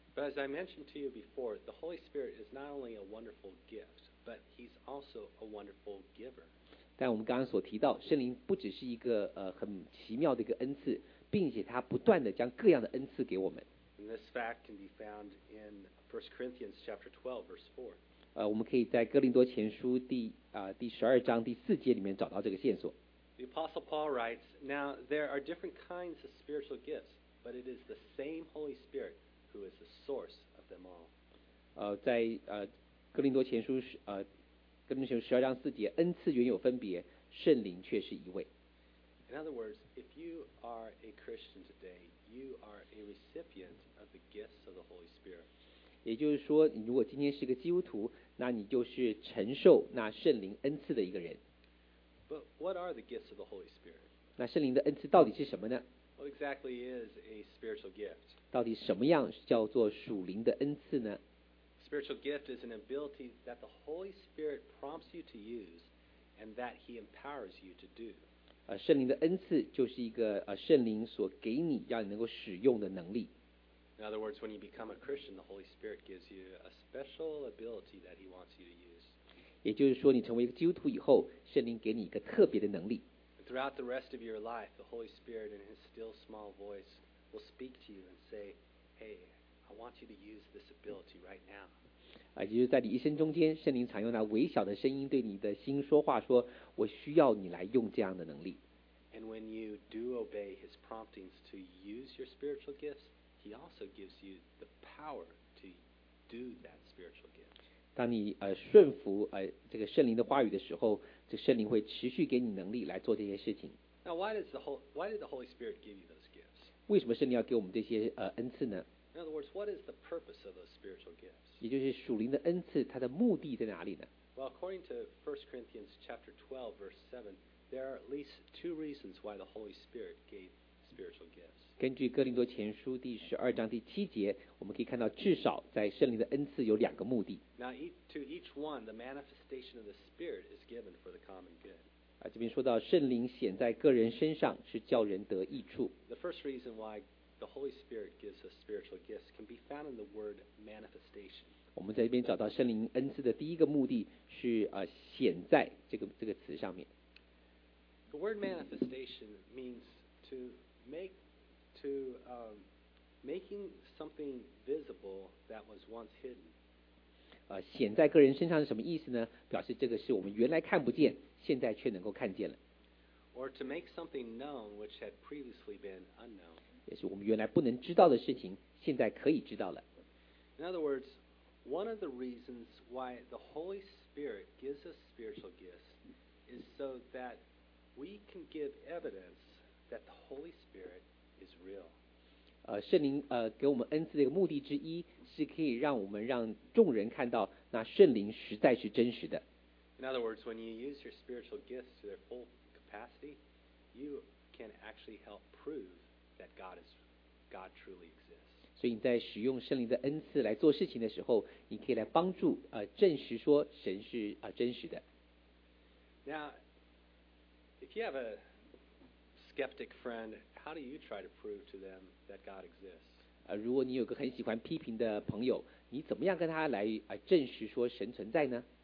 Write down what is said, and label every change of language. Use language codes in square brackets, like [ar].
[en] But as I mentioned to you before, the Holy Spirit is not only a wonderful gift, but He's also a wonderful giver. [zh] 但我们刚刚所提到，圣灵不只是一个很奇妙的一个恩赐，并且他不断的将各样的恩赐给我们。 [en] And this fact can be found in 1 Corinthians chapter 12, verse 4. [zh] 我们可以在哥林多前书第12章第4节里面找到这个线索。 [en] The Apostle Paul writes, "Now there are different kinds of spiritual gifts, but it is the same Holy Spirit who is the source of them all." [zh] 在哥林多前书哥林多前书十二章四节，恩赐原有分别，圣灵却是一位。 [en] In other words, if you are a Christian today, you are a recipient of the gifts of the Holy Spirit. [zh] 也就是说，如果今天是个基督徒，那你就是承受那圣灵恩赐的一个人。 [en] But what are the gifts of the Holy Spirit? [zh] 那圣灵的恩赐到底是什么呢？ [en] What exactly is a spiritual gift? [zh] 到底什么样叫做属灵的恩赐呢？ [en] Spiritual gift is an ability that the Holy Spirit prompts you to use and that He empowers you to do. [zh] 圣灵的恩赐就是一个圣灵所给你让你能够使用的能力。 [en] In other words, when you become a Christian, the Holy Spirit gives you a special ability that He wants you to use. [zh] 也就是说，你成为一个基督徒以后，圣灵给你一个特别的能力。 [en] Throughout the rest of your life, the Holy Spirit in His still small voice will speak to you and say, "Hey, I want you to use this ability right now." [zh] 也就是在你一生中间，圣灵常用那微小的声音对你的心说话，说我需要你来用这样的能力。 [en] And when you do obey His promptings to use your spiritual gifts, He also gives you the power to do that spiritual gift. [zh] 当你顺服这个圣灵的话语的时候，这圣灵会持续给你能力来做这些事情。 [en] Now why did the Holy Spirit give you those gifts? [zh] 为什么圣灵要给我们这些恩赐呢？ [en] In other words, what is the purpose of those spiritual gifts? [zh] 也就是属灵的恩赐，它的目的在哪里呢？ [en] Well, according to 1 Corinthians chapter 12, verse 7, there are at least two reasons why the Holy Spirit gave spiritual gifts. [zh] 根据哥林多前书第十二章第七节，我们可以看到，至少在圣灵的恩赐有两个目的。 [en] Now, to each one, the manifestation of the Spirit is given for the common good. [zh] 这边说到圣灵显在个人身上是叫人得益处。 [en] The first reason why the Holy Spirit gives us spiritual gifts can be found in the word manifestation. [zh] 我们在这边找到圣灵恩赐的第一个目的是显在这个词上面。 [en] The word manifestation means to making something visible that was once hidden. [zh] 显在个人身上是什么意思呢？表示这个是我们原来看不见，现在却能够看见了。 [en] Or to make something known which had previously been unknown. [zh] 也是我们原来不能知道的事情，现在可以知道了。 [en] In other words, one of the reasons why the Holy Spirit gives us spiritual gifts is so that we can give evidence that the Holy Spirit is real. [zh] 圣灵给我们恩赐的一个目的之一，是可以让我们让众人看到那圣灵实在是真实的。 [en] In other words, when you use your spiritual gifts to their full capacity, you can actually help prove that God truly exists. [zh] 所以你在使用圣灵的恩赐来做事情的时候，你可以来帮助证实说神是真实的。 [en] Now, if you have a skeptic friend, how do you try to prove to them? That God exists. [zh] 如果你有个很喜欢批评的朋友，你怎么样跟他来证实说神存在呢？